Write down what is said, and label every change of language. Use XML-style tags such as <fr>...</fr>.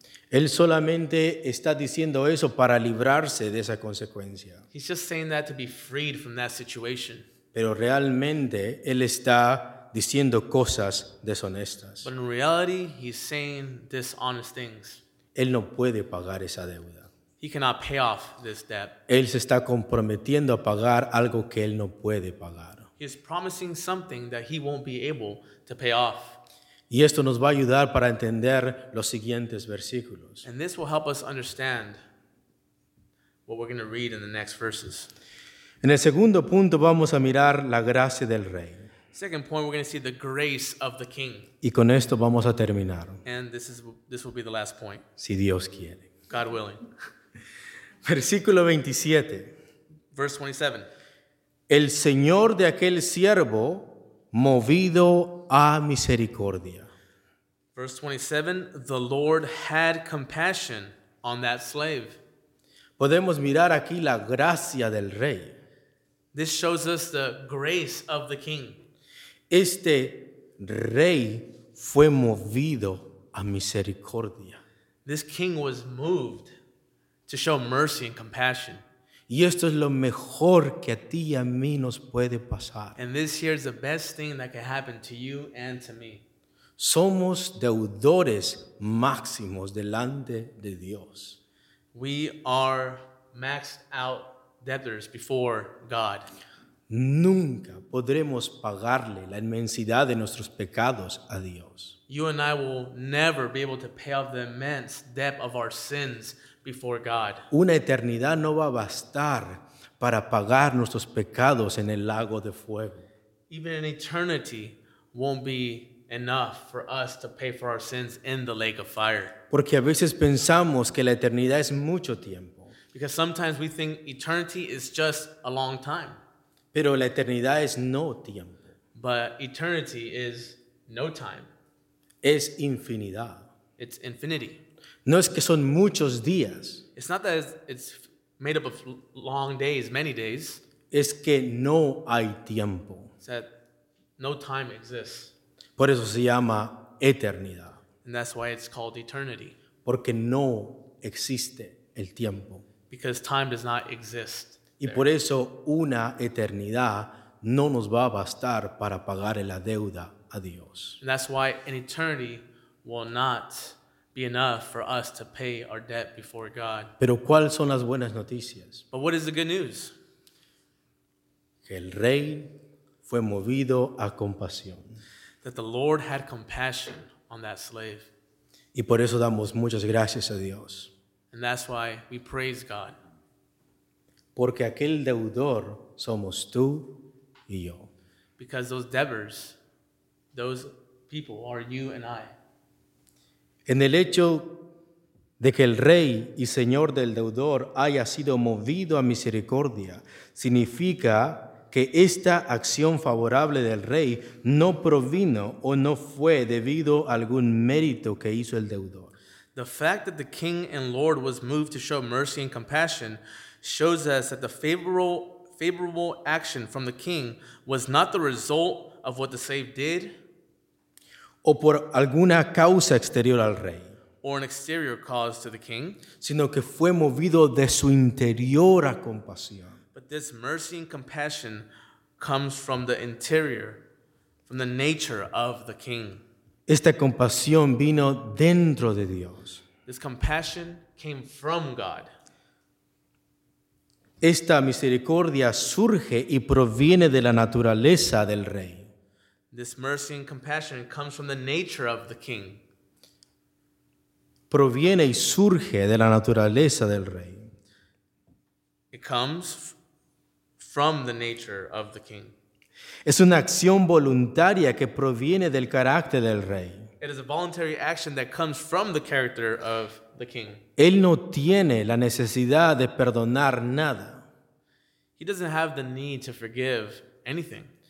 <es>Él solamente está diciendo eso para librarse de esa consecuencia.</es> <en>He's just saying that to be freed from that situation.</en> <es>Pero realmente él está diciendo cosas deshonestas.</es> <en>But in reality, he's saying dishonest things.</en> <es>Él no puede pagar esa deuda.</es> <en>He cannot pay off this debt.</en> <es>Él se está comprometiendo a pagar algo que él no puede pagar.</es> <en>He is promising something that he won't be able to pay off.</en> <es>Y esto nos va a ayudar para entender los siguientes versículos.</es> <en>And this will help us understand what we're going to read in the next verses.</en> <es>En el segundo punto vamos a mirar la gracia del rey.</es> <en>Second point, we're going to see the grace of the king.</en> <es>Y con esto vamos a terminar.</es> <en>And this will be the last point.</en> <es>Si Dios quiere.</es> <en>God willing.</en> <es>Versículo 27.</es> <en>Verse 27.</en> <es>El señor de aquel siervo movido a misericordia.</es> <en>Verse 27. The Lord had compassion on that slave.</en> <es>Podemos mirar aquí la gracia del rey.</es> <en>This shows us the grace of the king.</en> <es>Este rey fue movido a misericordia.</es> <en>This king was moved to show mercy and compassion.</en> <es>Y esto es lo mejor que a ti y a mí nos puede pasar.</es> <en>And this here is the best thing that can happen to you and to me.</en> <es>Somos deudores máximos delante de Dios.</es> <en>We are maxed out debtors before God.</en> <es>Nunca podremos pagarle la inmensidad de nuestros pecados a Dios.</es> <en>You and I will never be able to pay off the immense debt of our sins before God.</en> <es>Una eternidad no va a bastar para pagar nuestros pecados en el lago de fuego.</es> <en>Even an eternity won't be enough for us to pay for our sins in the lake of fire.</en> <es>Porque a veces pensamos que la eternidad es mucho tiempo.</es> <en>Because sometimes we think eternity is just a long time.</en> <es>Pero la eternidad es no tiempo.</es> <en>But eternity is no time.</en> <es>Es infinidad.</es> <en>It's infinity.</en> <es>No es que son muchos días.</es> <en>It's not that it's made up of long days, many days.</en> <es>Es que no hay tiempo.</es> <en>It's that no time exists.</en> <es>Por eso se llama eternidad.</es> <en>And that's why it's called eternity.</en> <es>Porque no existe el tiempo.</es> <en>Because time does not exist.</en> <es>Y there. Por eso una eternidad no nos va a bastar para pagar la deuda a Dios.</es> <en>And that's why an eternity will not be enough for us to pay our debt before God.</en> <es>Pero ¿cuáles son las buenas noticias?</es> <en>But what is the good news?</en> <es>Que el rey fue movido a compasión.</es> <en>That the Lord had compassion on that slave.</en> <es>Y por eso damos muchas gracias a Dios.</es> <en>And that's why we praise God.</en> <es>Porque aquel deudor somos tú y yo.</es> <en>Because those debtors, those people are you and I.</en> <es>En el hecho de que el rey y señor del deudor haya sido movido a misericordia, significa que esta acción favorable del rey no provino o no fue debido a algún mérito que hizo el deudor.</es> <en>The fact that the king and lord was moved to show mercy and compassion shows us that the favorable action from the king was not the result of what the slave did,</en> <es>o por alguna causa exterior al rey,</es> <en>or an exterior cause to the king,</en> <es>sino que fue movido de su interior a compasión.</es> <en>But this mercy and compassion comes from the interior, from the nature of the king.</en> <es>Esta compasión vino dentro de Dios.</es> <en>This compassion came from God.</en> <es>Esta misericordia surge y proviene de la naturaleza del rey.</es> <en>This mercy and compassion comes from the nature of the king.</en> <es>Proviene y surge de la naturaleza del rey.</es> <en>It comes from the nature of the king.</en> <es>Es una acción voluntaria que proviene del carácter del rey.</es> <en>It is a voluntary action that comes from the character of the king.</en> <es>Él no tiene la necesidad de perdonar nada.</es> <en>He doesn't have the need to forgive anything.</en>